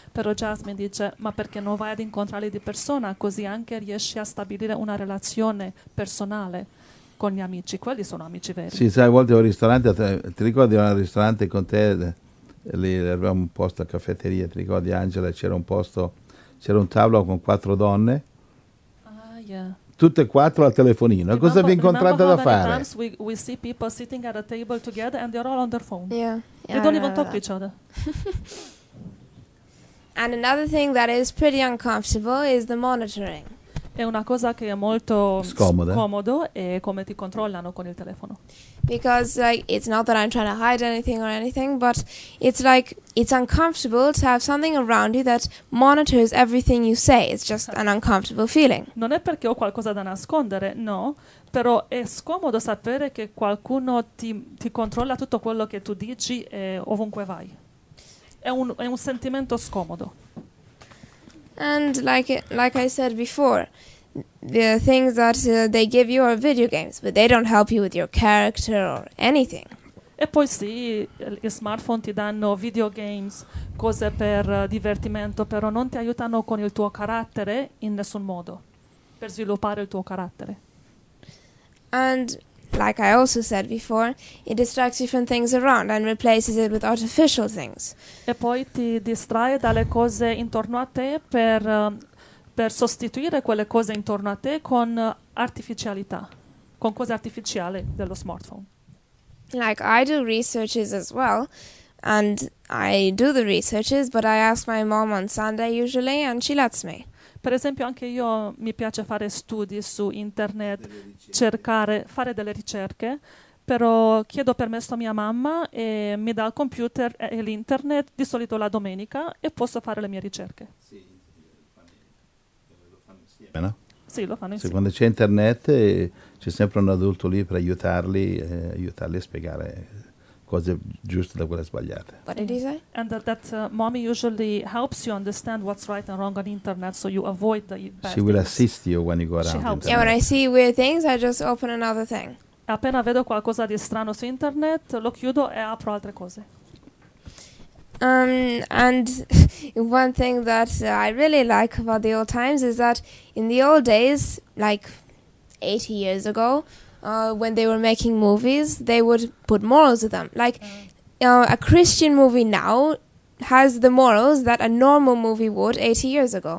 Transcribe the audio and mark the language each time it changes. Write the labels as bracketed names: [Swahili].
[Italian] Però Jasmine dice ma perché non vai ad incontrarli di persona, così anche riesci a stabilire una relazione personale con gli amici, quelli sono amici veri. Sì, sai, a volte ho un ristorante, ti ricordi un ristorante con te, lì avevamo un posto a caffetteria, ti ricordi Angela, c'era un tavolo con quattro donne, tutte e quattro al telefonino, [English] remember, [Italian] cosa vi incontrate da fare? [English] We see people sitting at a table together and they're all on their phone. Yeah, they don't even talk to each other. And another thing that is pretty uncomfortable is the monitoring. [Italian] È una cosa che è molto scomodo e come ti controllano con il telefono. [English] Because like it's not that I'm trying to hide anything or anything, but it's like it's uncomfortable to have something around you that monitors everything you say. It's just an uncomfortable feeling. [Italian] Non è perché ho qualcosa da nascondere, no, però è scomodo sapere che qualcuno ti controlla tutto quello che tu dici e ovunque vai. È un sentimento scomodo. [English] And like I said before, the things that they give you are video games, but they don't help you with your character or anything. [Italian] E poi sì, i smartphone ti danno video games, cose per divertimento, però non ti aiutano con il tuo carattere in nessun modo, per sviluppare il tuo carattere. [English] And like I also said before, it distracts you from things around and replaces it with artificial things. [Italian] E poi ti distrae dalle cose intorno a te per per sostituire quelle cose intorno a te con artificialità, con cose artificiali dello smartphone. [English] Like I do researches as well, and I do the researches, but I ask my mom on Sunday usually, and she lets me. [Italian] Per esempio, anche io mi piace fare studi su internet, cercare, fare delle ricerche, però chiedo permesso a mia mamma e mi dà il computer e l'internet, di solito la domenica, e posso fare le mie ricerche. Sì, lo fanno insieme, no? Sì, lo fanno insieme. Se quando c'è internet c'è sempre un adulto lì per aiutarli, aiutarli a spiegare cose giuste da quelle sbagliate. [English] What did he say? And that mommy usually helps you understand what's right and wrong on internet, so you avoid the bad She will assist you when you go around. She helps. Yeah, when I see weird things, I just open another thing. [Italian] Appena vedo qualcosa di strano su internet, lo chiudo e apro altre cose. [English] And one thing that I really like about the old times is that in the old days, like 80 years ago, when they were making movies, they would put morals in them. Like, a Christian movie now has the morals that a normal movie would 80 years ago.